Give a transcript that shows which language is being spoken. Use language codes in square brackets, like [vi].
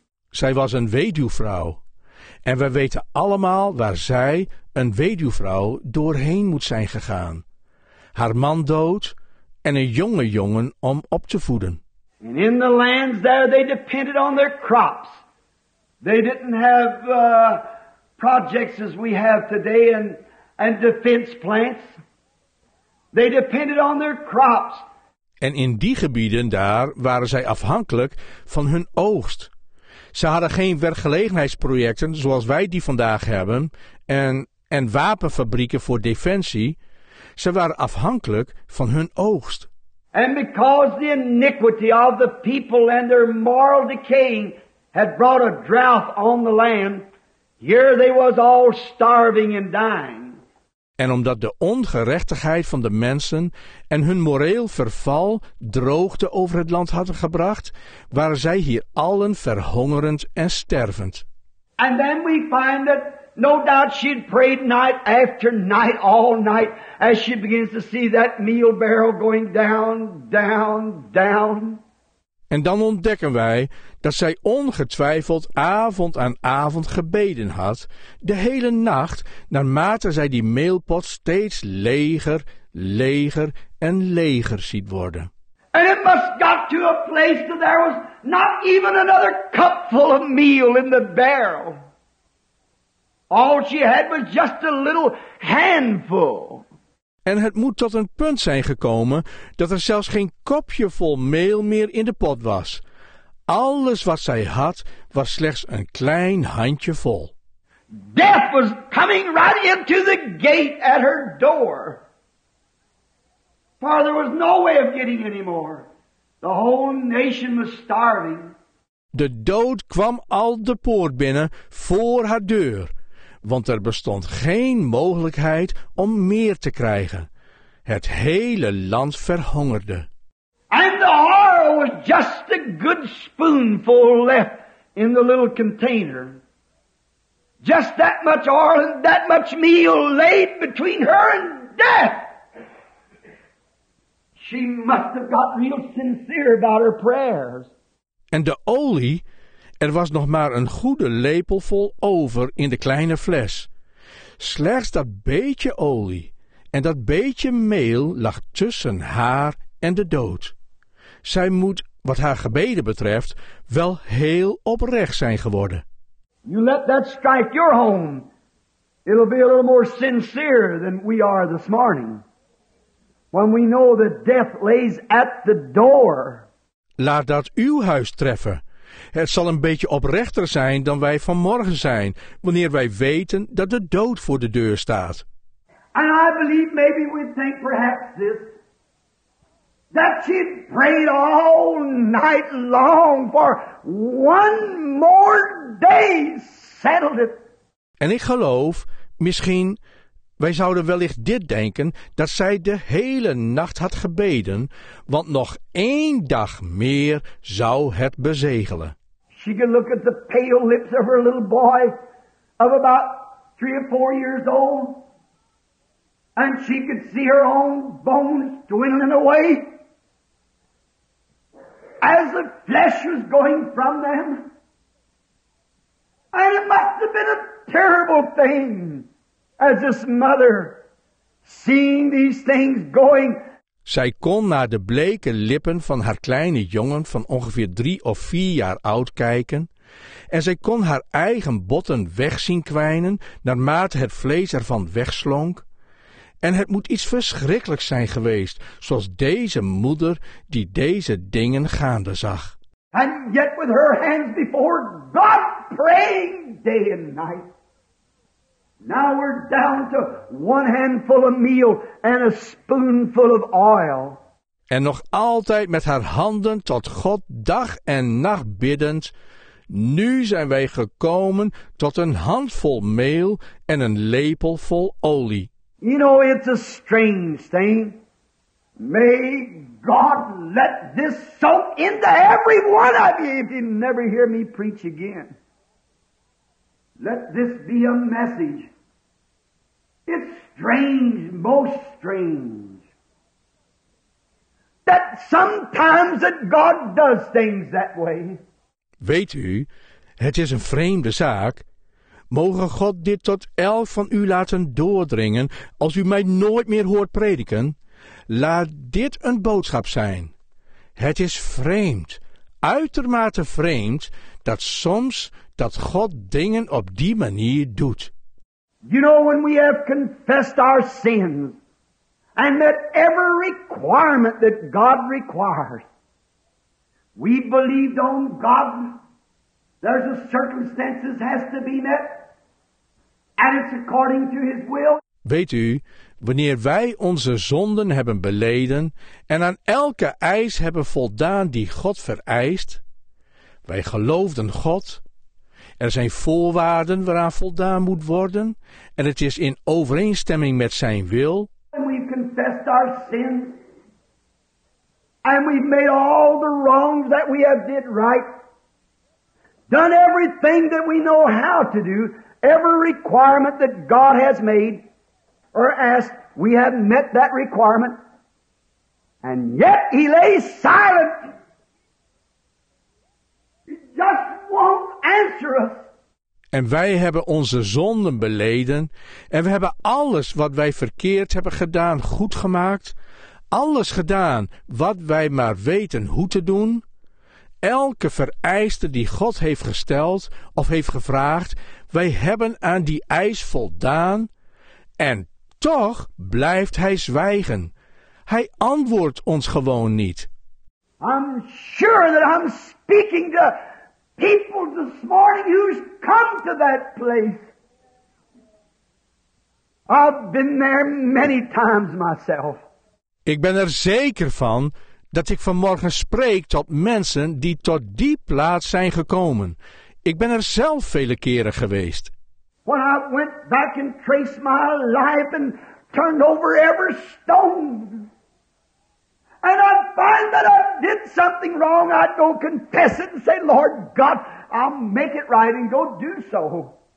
[nl] Zij was een weduwvrouw. En we weten allemaal waar zij, een weduwvrouw, doorheen moet zijn gegaan. Haar man dood en een jonge jongen om op te voeden. [en] And in the lands there, they depended on their crops. They didn't have projects as we have today and defense plants. They depended on their crops. [nl] En in die gebieden daar waren zij afhankelijk van hun oogst. Ze hadden geen werkgelegenheidsprojecten zoals wij die vandaag hebben en wapenfabrieken voor defensie. Ze waren afhankelijk van hun oogst. [en] And because the iniquity of the people and their moral decaying had brought a drought on the land, here they was all starving and dying. [nl] En omdat de ongerechtigheid van de mensen en hun moreel verval droogte over het land hadden gebracht, waren zij hier allen verhongerend en stervend. [en] And then we find that no doubt she had prayed night after night, all night, as she begins to see that meal barrel going down, down, down. [nl] En dan ontdekken wij dat zij ongetwijfeld avond aan avond gebeden had, de hele nacht, naarmate zij die meelpot steeds leger, leger en leger ziet worden. [en] And it must got to a place that there was not even another cup full of meal in the barrel. All she had was just a little handful. [nl] En het moet tot een punt zijn gekomen dat er zelfs geen kopje vol meel meer in de pot was. Alles wat zij had was slechts een klein handje vol. [en] Death was coming right into the gate at her door. For there was no way of getting any more. The whole nation was starving. [nl] De dood kwam al de poort binnen voor haar deur. want er bestond geen mogelijkheid om meer te krijgen. Het hele land verhongerde. [en] And the oil was just a good spoonful left in the little container. Just that much oil and that much meal laid between her and death. She must have got real sincere about her prayers. [nl] En de olie, er was nog maar een goede lepel vol over in de kleine fles. Slechts dat beetje olie en dat beetje meel lag tussen haar en de dood. Zij moet, wat haar gebeden betreft, wel heel oprecht zijn geworden. [en] You let that strike your home. It'll be a little more sincere than we are this morning. When we know that death lays at the door. [nl] Laat dat uw huis treffen. Het zal een beetje oprechter zijn dan wij vanmorgen zijn, wanneer wij weten dat de dood voor de deur staat. [en] And I believe maybe we think perhaps this. That she prayed all night long for one more day settled it. [nl] En ik geloof, misschien, wij zouden wellicht dit denken, dat zij de hele nacht had gebeden, want nog één dag meer zou het bezegelen. [en] She could look at the pale lips of her little boy of about 3 or 4 years old, and she could see her own bones dwindling away. As the flesh was going from them. And it must have been a terrible thing. As this mother. Seeing these things going. [nl] Zij kon naar de bleke lippen van haar kleine jongen. Van ongeveer 3 of 4 jaar oud kijken. En zij kon haar eigen botten wegzien kwijnen. Naarmate het vlees ervan wegslonk. En het moet iets verschrikkelijks zijn geweest, zoals deze moeder die deze dingen gaande zag. [en] And yet with her hands before God praying day and night. Now we're down to one handful of meal and a spoonful of oil. [nl] En nog altijd met haar handen tot God dag en nacht biddend. Nu zijn wij gekomen tot een handvol meel en een lepel vol olie. [en] You know, it's a strange thing. May God let this soak into every one of you if you never hear me preach again. Let this be a message. It's strange, most strange, that sometimes that God does things that way. [nl] Weet u, het is een vreemde zaak. Mogen God dit tot elk van u laten doordringen als u mij nooit meer hoort prediken? Laat dit een boodschap zijn. Het is vreemd, uitermate vreemd, dat soms dat God dingen op die manier doet. [en] You know, when we have confessed our sins and met every requirement that God requires, we believed on God, there's a circumstance that has to be met. And it's according to his will. [nl] Weet u, wanneer wij onze zonden hebben beleden en aan elke eis hebben voldaan die God vereist, wij geloofden God, er zijn voorwaarden waaraan voldaan moet worden en het is in overeenstemming met zijn wil. [en] And we've confessed our sins and we've made all the wrongs that we have did right, done everything that we know how to do. Every requirement that God has made or asked, we have met that requirement. And yet he lays silent. He just won't answer us. [nl] En wij hebben onze zonden beleden. En we hebben alles wat wij verkeerd hebben gedaan goed gemaakt. Alles gedaan wat wij maar weten hoe te doen. Elke vereiste die God heeft gesteld of heeft gevraagd, wij hebben aan die eis voldaan en toch blijft hij zwijgen. Hij antwoordt ons gewoon niet. [en] I'm sure that I'm speaking to people this morning who's come to that place. I've been there many times myself. [nl] Ik ben er zeker van dat ik vanmorgen spreek tot mensen die tot die plaats zijn gekomen. Ik ben er zelf vele keren geweest. [en] When I went back and traced my life and turned over every stone, and I find that I did something wrong, I'd go confess it and say, Lord God, I'll make it right and go do so.